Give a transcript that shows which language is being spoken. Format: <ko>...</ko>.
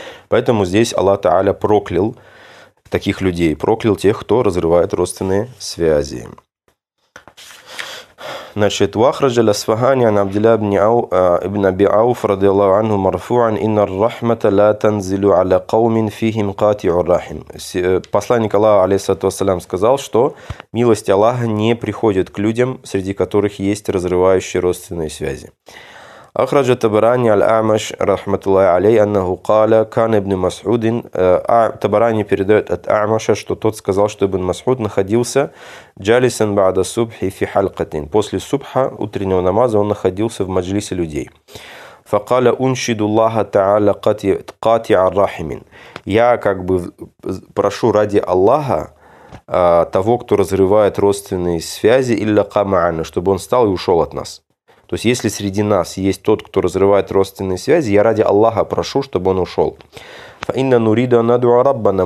<ru>Поэтому здесь Аллах Та'аля проклял таких людей, проклял тех, кто разрывает родственные связи.</ru> <ar>Значит, وخرج الأصفهان عن عبد الله بن عو ابن أبي عوف رضي الله عنه مرفوعا إن الرحمة لا تنزل على قوم فيهم قاطع الرحم.</ar> <ru>Посланник Аллаха алейхиссалату вассалям сказал, что милость Аллаха не приходит к людям, среди которых есть разрывающие родственные связи.</ru> <ar>أخرج الطبراني الأعمش رحمة الله عليه أنه قال كان ابن مسعود الطبراني</ar> <ru>передает от Амаша, что тот сказал, что</ru> <ar>ابن مسعود</ar> <ru>находился</ru> <ar>جالساً بعد الصبح في حلقتين.</ar> <ru>После субха утреннего намаза он находился в маджлисе людей.</ru> <ar>فقال أنشد الله تعالى قاطع الرحم.</ar> <ru>Я как бы прошу ради Аллаха того, кто разрывает родственные связи, или قامعنه, чтобы он встал и ушел от нас. То есть, если среди нас есть тот, кто разрывает родственные связи, я ради Аллаха прошу, чтобы он ушел.</ru> <ar>فَإِنَّ نُرِيدُ أَنْ نَدْعُوَ رَبَّنَا.</ar>